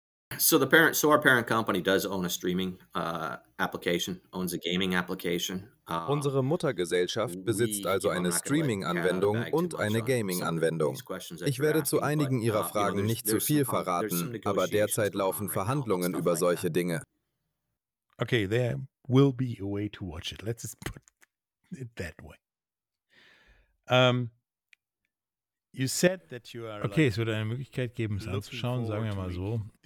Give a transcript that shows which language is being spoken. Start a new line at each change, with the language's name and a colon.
German: Unsere Muttergesellschaft besitzt also eine Streaming-Anwendung und eine Gaming-Anwendung. Ich werde zu einigen Ihrer Fragen nicht zu viel verraten, aber derzeit laufen Verhandlungen über solche Dinge.
English: Okay, there will be a way to watch it. Let's just put it that way.
German: Okay, es wird eine Möglichkeit geben, es anzuschauen, sagen wir mal so.